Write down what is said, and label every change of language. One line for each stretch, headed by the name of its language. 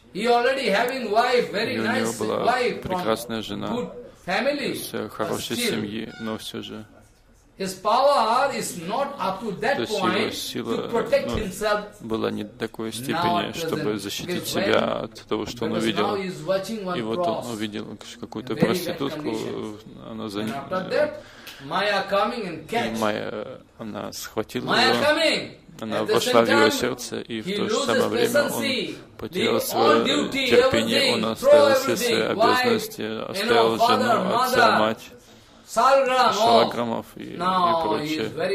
Russian: У него была прекрасная жена.
English: Family,
Russian: с хорошей семьи, но все же.
English: His power is not up to that point to protect himself.
Russian: Ну, была не до такой степени, чтобы защитить себя от того, что он увидел. И вот он увидел какую-то проститутку, она за ним. Майя, она схватила ее. Она вошла в его сердце, и в то же самое время он потерял свое терпение, он оставил все свои обязанности, оставил жену, отца, мать, Шалаграмов и прочее.